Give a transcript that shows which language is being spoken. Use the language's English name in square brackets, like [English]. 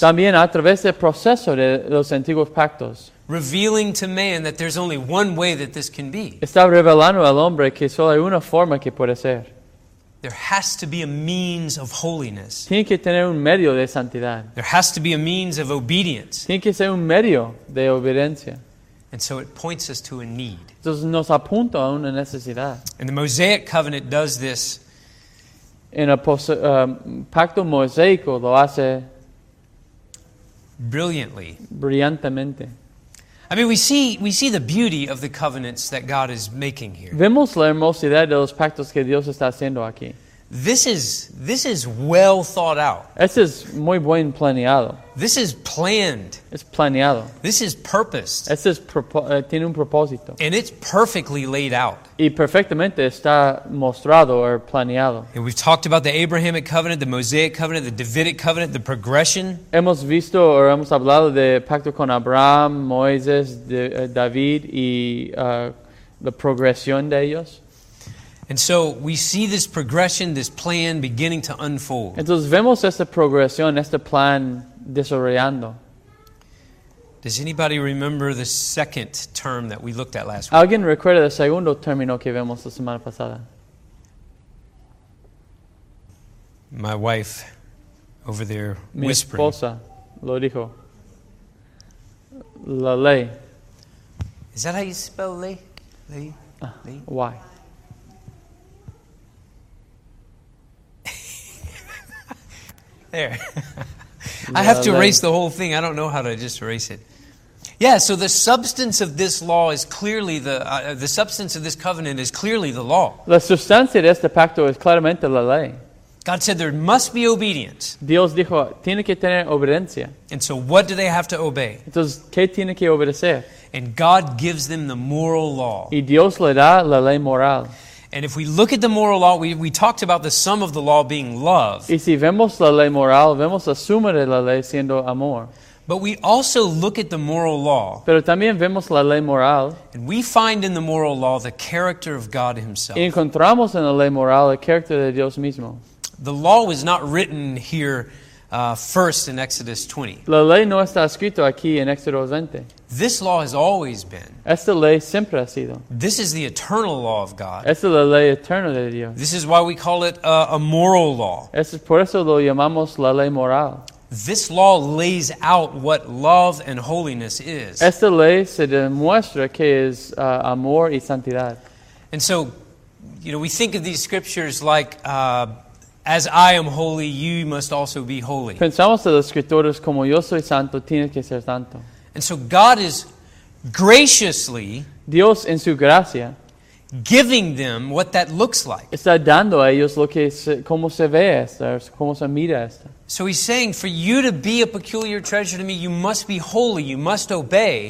[Spanish] También a través del proceso de los antiguos pactos. [English] Revealing to man that there's only one way that this can be. [Spanish] Está revelando al hombre que solo hay una forma que puede ser. [English] There has to be a means of holiness. [Spanish] Tiene que tener un medio de santidad. [English] There has to be a means of obedience. [Spanish] Tiene que ser un medio de obediencia. [English] And so it points us to a need. [Spanish] Entonces nos apunta a una necesidad. [English] And the Mosaic covenant does this. [Spanish] En el pacto mosaico lo hace [English] brilliantly. [Spanish] Brillantemente. [English] I mean, we see the beauty of the covenants that God is making here. [Spanish] Vemos la hermosidad de los pactos que Dios está haciendo aquí. [English] This is well thought out. [Spanish] Esto es muy buen planeado. [English] This is planned. [Spanish] Es planeado. [English] This is purposed. [Spanish] Esto es tiene un propósito. [English] And it's perfectly laid out. [Spanish] Y perfectamente está mostrado o planeado. [English] And we've talked about the Abrahamic covenant, the Mosaic covenant, the Davidic covenant, the progression. [Spanish] Hemos visto o hemos hablado de pacto con Abraham, Moisés, David y la progresión de ellos. [English] And so we see this progression, this plan beginning to unfold. [Spanish] Entonces vemos esta progresión, este plan desarrollando. [English] Does anybody remember the second term that we looked at last week? [Spanish] ¿Alguien recuerda el segundo término que vimos la semana pasada? [English] My wife over there [Spanish] mi [English] whispering. [Spanish] Mi esposa lo dijo. La ley. [English] Is that how you spell ley? Ley? Ley? Why? There. I have to erase the whole thing. I don't know how to just erase it. Yeah, so the substance of this law is clearly the substance of this covenant is clearly the law. [Spanish] La sustancia de este pacto es claramente la ley. [English] God said there must be obedience. [Spanish] Dios dijo, tiene que tener obediencia. [English] And so what do they have to obey? [Spanish] Entonces, ¿qué tiene que obedecer? [English] And God gives them the moral law. [Spanish] Y Dios le da la ley moral. [English] And if we look at the moral law, we talked about the sum of the law being love. [Spanish] Y si vemos la ley moral, vemos la suma de la ley siendo amor. [English] But we also look at the moral law. [Spanish] Pero también vemos la ley moral. [English] And we find in the moral law the character of God himself. [Spanish] Y encontramos en la ley moral el carácter de Dios mismo. [English] The law was not written here first in Exodus 20. [Spanish] La ley no está escrito aquí en Éxodo 20. [English] This law has always been. [Spanish] Esta ley siempre ha sido. [English] This is the eternal law of God. [Spanish] Esta la ley eterna de Dios. [English] This is why we call it a moral law. [Spanish] Esto, por eso lo llamamos la ley moral. [English] This law lays out what love and holiness is. [Spanish] Esta ley se demuestra que es amor y santidad. [English] And so, you know, we think of these scriptures like, as I am holy, you must also be holy. [Spanish] Pensamos en las escrituras como yo soy santo, tienes que ser santo. [English] And so God is graciously, [Spanish] Dios en su gracia, [English] giving them what that looks like. [Spanish] Está dando a ellos lo que se, cómo se ve esto, cómo se mira esto. [English] So he's saying, for you to be a peculiar treasure to me, you must be holy, you must obey.